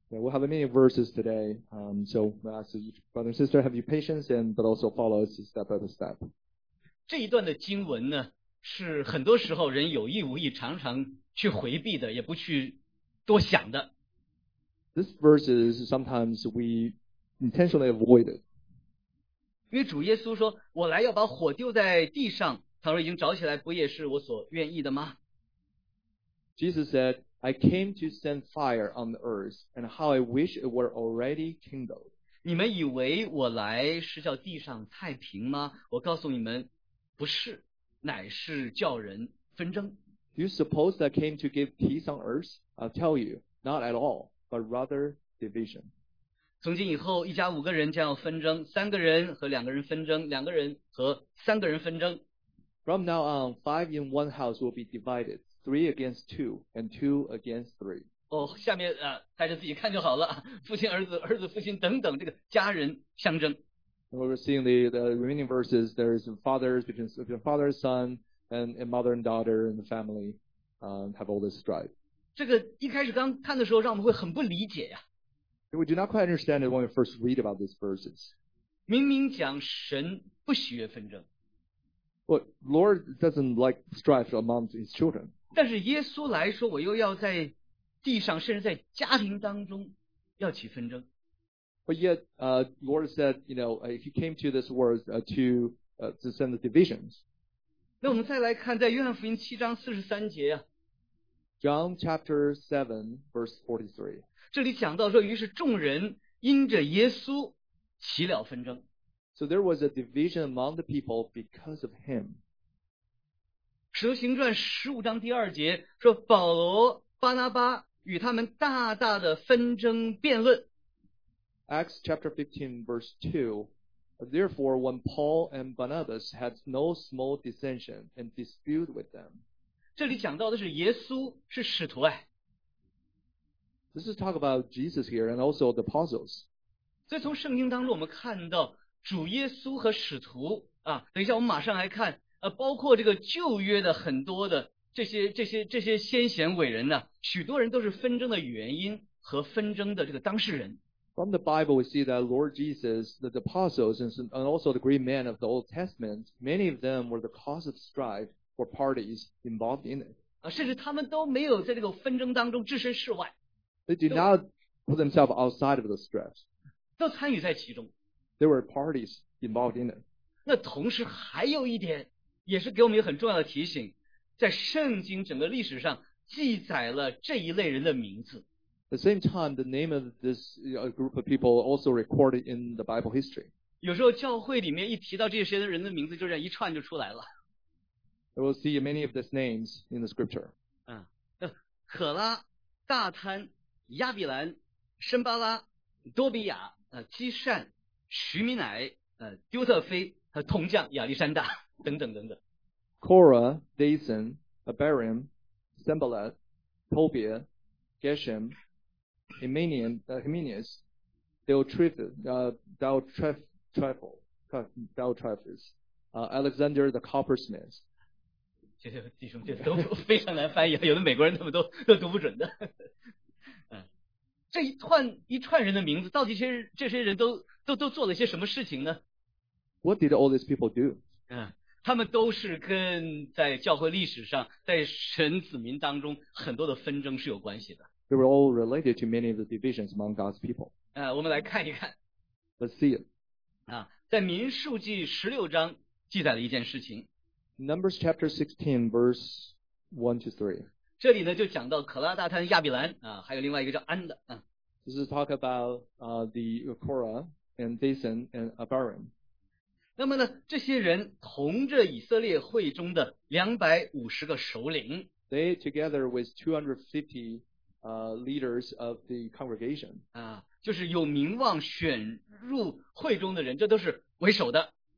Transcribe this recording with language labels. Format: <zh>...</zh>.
<en>Yeah, we'll have many verses today. So we'll ask each brother and sister, have you patience and but also follow us step by step.</en> <zh>这一段的经文呢，是很多时候人有意无意常常去回避的，也不去。多想的。</zh> <en>This verse is sometimes we intentionally avoid it.</en> <zh>因为主耶稣说，我来要把火丢在地上，他说已经着起来，不也是我所愿意的吗？</zh> <en>Jesus said, I came to send fire on the earth, and how I wish it were already kindled.</en> <zh>你们以为我来是叫地上太平吗？我告诉你们，不是，乃是叫人纷争。</zh> <en>Do you suppose that I came to give peace on earth? I'll tell you, not at all, but rather division.</en> <zh>从今以后，一家五个人将要纷争，三个人和两个人纷争，两个人和三个人纷争。</zh> <en>From now on, five in one house will be divided, three against two, and two against three.</en> <zh>哦，下面大家自己看就好了，父亲儿子，儿子父亲等等，这个家人相争。</zh> <en>And we're seeing the remaining verses, there is fathers between father and son,and mother and daughter and the family have all this strife.</en> <zh>这个一开始刚看的时候让我们会很不理解呀。</zh> <en>We do not quite understand it when we first read about these verses.</en> <zh>明明讲神不喜悦纷争。</zh> <en>But Lord doesn't like strife among his children.</en> <zh>但是耶稣来说我又要在地上甚至在家庭当中要起纷争。</zh> <en>But yet, Lord said, you know, he came to this world to send the divisions.</en> <zh>那我们再来看在约翰福音七章四十三节啊。</zh> <en>John chapter 7 verse 43.</en> <zh>这里讲到说于是众人因着耶稣起了纷争。</zh> <en>So there was a division among the people because of him.</en> <zh>使徒行传十五章第二节说保罗巴拿巴与他们大大的纷争辩论。</zh> <en>Acts chapter 15 verse 2. Therefore, when Paul and Barnabas had no small dissension and dispute with them.</en> <zh>这里讲到的是耶稣是使徒哎。</zh> <en>This is talk about Jesus here and also the apostles.</en> <zh>所以从圣经当中我们看到主耶稣和使徒啊，等一下我们马上来看包括这个旧约的很多的这些先贤伟人呢，许多人都是纷争的原因和纷争的这个当事人。</zh> <en>From the Bible, we see that Lord Jesus, the apostles, and also the great men of the Old Testament, many of them were the cause of strife for parties involved in it.</en> <zh>甚至他们都没有在这个纷争当中置身事外。</zh> <en>They did not put themselves outside of the strife.</en> <zh>都参与在其中。</zh> <en>There were parties involved in it.</en> <zh>那同时还有一点，也是给我们有很重要的提醒，在圣经整个历史上记载了这一类人的名字。</zh> <en>At the same time, the name of this group of people also recorded in the Bible history.</en> <zh>有时候教会里面一提到这些人的名字，就这样一串就出来了。</zh> <en>We'll see many of these names in the scripture.</en> <zh>可拉、大贪、亚比兰、申巴拉、多比亚、基善、徐米乃、丢特菲、铜匠亚历山大等等等等。</zh> <en>Kora, Dathan, Abiram, Sanballat, Tobiah, Geshem. Himenius, Diotrephes, Alexander the Coppersmith.</en> <zh>谢谢弟兄，这都非常难翻译，有的美国人他们都读不准的。这这一串人的名字，到底这些人都做了些什么事情呢？</zh> <en>What did all these people do?</en> <zh>他们都是跟在教会历史上，在神子民当中很多的纷争是有关系的。</zh> <en>They were all related to many of the divisions among God's people.</en> <zh>我们来看一看。</zh> <en>Let's see it.</en> <zh>在民数记16章记载了一件事情。</zh> <en>Numbers chapter 16 verse 1-3.</en> <zh>这里呢就讲到可拉大贪亚比兰还有另外一个叫安的。</zh> <en>This is talk about the Korah and Dathan and Abiram.</en> <zh>那么呢这些人同着以色列会中的250个首领。</zh> <en>They together with 250leaders of the congregation.</en> <zh>就是有名望选入会中的人，这都是为首的。</zh>